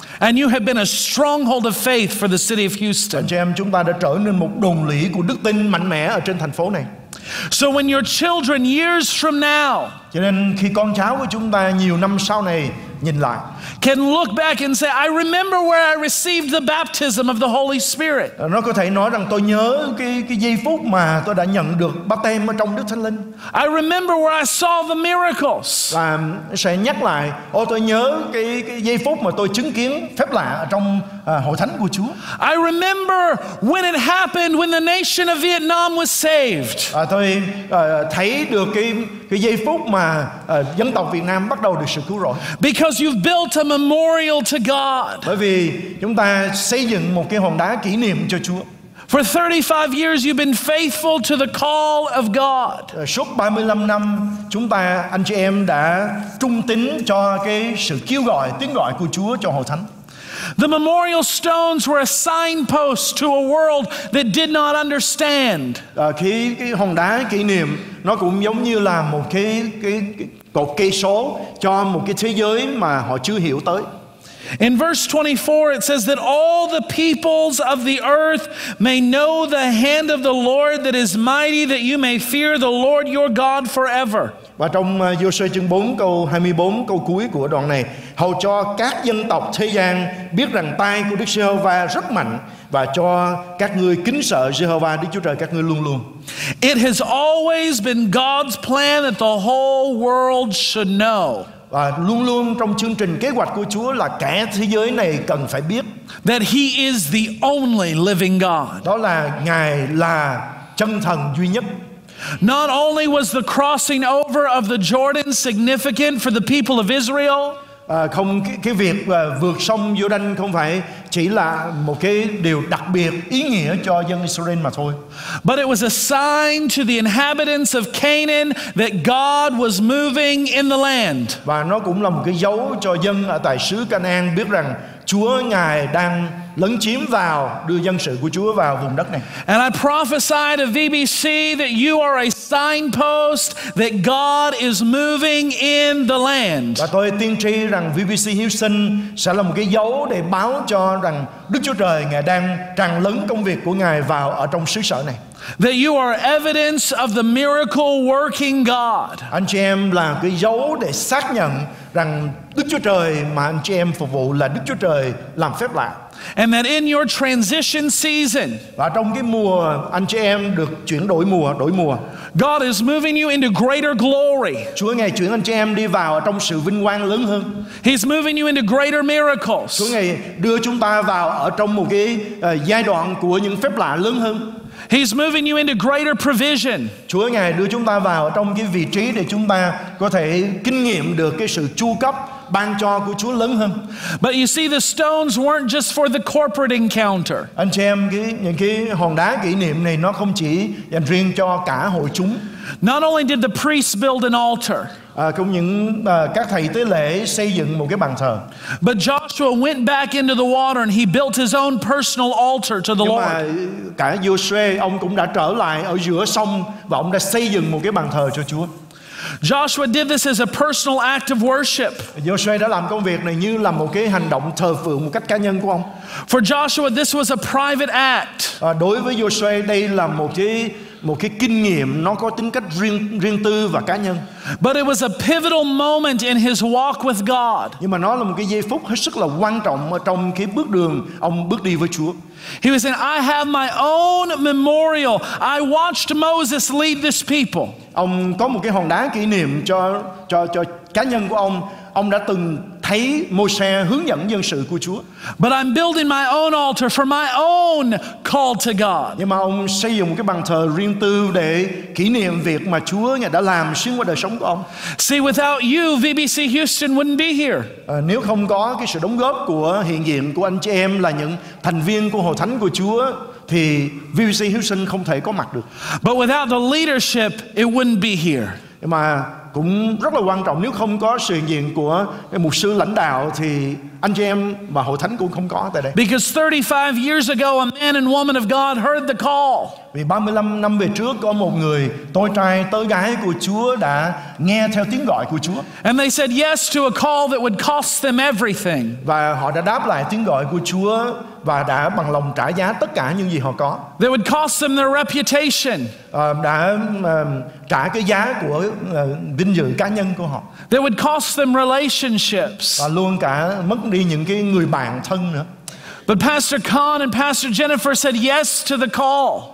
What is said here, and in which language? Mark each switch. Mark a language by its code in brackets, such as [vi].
[en] And you have been a stronghold of faith for the city of Houston. [vi] Anh chị em, chúng ta đã trở nên một đồn lũy của đức tin mạnh mẽ ở trên thành phố này. [en] So when your children years from now, [vi] cho nên khi con cháu của chúng ta nhiều năm sau này nhìn lại, [en] can look back and say, I remember where I received the baptism of the Holy Spirit. [vi] Nó có thể nói rằng tôi nhớ cái giây phút mà tôi đã nhận được báp têm ở trong Đức Thánh Linh. [en] I remember where I saw the miracles. [vi] Và sẽ nhắc lại, tôi nhớ cái giây phút mà tôi chứng kiến phép lạ ở trong hội thánh của Chúa. [en] I remember when it happened when the nation of Vietnam was saved. [vi] Tôi thấy được cái giây phút mà dân tộc Việt Nam bắt đầu được sự cứu rỗi. [en] Because you've built a memorial to God. [vi] Bởi vì chúng ta xây dựng một cái hòn đá kỷ niệm cho Chúa. [en] For 35 years you've been faithful to the call of God. [vi] Suốt 35 năm chúng ta anh chị em đã trung tín cho cái sự kêu gọi tiếng gọi của Chúa cho hội thánh. [en] The memorial stones were a signpost to a world that did not understand. [vi] Cái hòn đá kỷ niệm nó cũng giống như là một cái cột cây số cho một cái thế giới mà họ chưa hiểu tới. [en] In verse 24 it says that all the peoples of the earth may know the hand of the Lord that is mighty, that you may fear the Lord your God forever. [vi] Và trong Giô-suê chương 4 câu 24 câu cuối của đoạn này, hầu cho các dân tộc thế gian biết rằng tay của Đức Giê-hô-va rất mạnh và cho các ngươi kính sợ Giê-hô-va Đức Chúa Trời các ngươi luôn luôn. [en] It has always been God's plan that the whole world should know. [vi] Và luôn luôn trong chương trình kế hoạch của Chúa là cả thế giới này cần phải biết. [en] That he is the only living God. [vi] Đó là Ngài là chân thần duy nhất. [en] Not only was the crossing over of the Jordan significant for the people of Israel. [vi] Không cái việc vượt sông Giô-đan không phải chỉ là một cái điều đặc biệt ý nghĩa cho dân Israel mà thôi. [en] But it was a sign to the inhabitants of Canaan that God was moving in the land. [vi] Và nó cũng là một cái dấu cho dân ở tại xứ Canaan biết rằng Chúa Ngài đang lấn chiếm vào, đưa dân sự của Chúa vào vùng đất này. [en] And I prophesy to VBC that you are a signpost that God is moving in the land. [vi] Và tôi tiên tri rằng VBC Houston sẽ là một cái dấu để báo cho rằng Đức Chúa Trời Ngài đang tràn lấn công việc của Ngài vào ở trong xứ sở này. [en] That you are evidence of the miracle working God. [vi] Anh chị em là cái dấu để xác nhận rằng Đức Chúa Trời mà anh chị em phục vụ là Đức Chúa Trời làm phép lạ. [en] And that in your transition season, [vi] và trong cái mùa anh chị em được chuyển đổi mùa, [en] God is moving you into greater glory. [vi] Chúa Ngài chuyển anh chị em đi vào trong sự vinh quang lớn hơn. [en] He's moving you into greater miracles. [vi] Chúa Ngài đưa chúng ta vào ở trong một cái giai đoạn của những phép lạ lớn hơn. [en] He's moving you into greater provision. [vi] Chúa Ngài đưa chúng ta vào trong cái vị trí để chúng ta có thể kinh nghiệm được cái sự chu cấp ban cho của Chúa lớn hơn. [en] But you see, the stones weren't just for the corporate encounter. [vi] Anh chị em, những cái hòn đá kỷ niệm này nó không chỉ dành riêng cho cả hội chúng. [en] Not only did the priests build an altar. [vi] Cũng những các thầy tế lễ xây dựng một cái bàn thờ. [en] But Joshua went back into the water and he built his own personal altar to the Lord. [vi] Nhưng mà cả Joshua ông cũng đã trở lại ở giữa sông và ông đã xây dựng một cái bàn thờ cho Chúa. [en] Joshua did this as a personal act of worship. [vi] Joshua đã làm công việc này như là một cái hành động thờ phượng một cách cá nhân của ông. [en] For Joshua, this was a private act. [vi] Đối với Joshua, đây là một cái kinh nghiệm nó có tính cách riêng tư và cá nhân. [en] But it was a pivotal moment in his walk with God. [vi] Nhưng mà nó là một cái giây phút hết sức là quan trọng ở trong cái bước đường ông bước đi với Chúa. [en] He was saying, "I have my own memorial. I watched Moses lead this people." [vi] Ông có một cái hòn đá kỷ niệm cho cá nhân của ông. Ông đã từng thấy Môi-se hướng dẫn dân sự của Chúa. [en] But I'm building my own altar for my own call to God. [vi] Nhưng mà ông xây dựng một cái bàn thờ riêng tư để kỷ niệm việc mà Chúa Ngài đã làm xuyên qua đời sống của ông. [en] See, without you, VBC Houston wouldn't be here. [vi] Nếu không có cái sự đóng góp của hiện diện của anh chị em là những thành viên của Hội Thánh của Chúa thì VBC Houston không thể có mặt được. [en] But without the leadership, it wouldn't be here. [vi] Nhưng mà cũng rất là quan trọng, nếu không có sự hiện diện của mục sư lãnh đạo thì anh chị em và hội thánh cũng không có tại đây. [en] Because 35 years ago, a man and woman of God heard the call. [vi] Vì 35 năm về trước có một người tôi trai tớ gái của Chúa đã nghe theo tiếng gọi của Chúa. [en] And they said yes to a call that would cost them everything. [vi] Và họ đã đáp lại tiếng gọi của Chúa và đã bằng lòng trả giá tất cả những gì họ có. [en] They would cost them their reputation. [vi] Đã trả cái giá của vinh dự cá nhân của họ. [en] They would cost them relationships. [vi] Và luôn cả mất đi những cái người bạn thân nữa. [en] But Pastor Khan and Pastor Jennifer said yes to the call.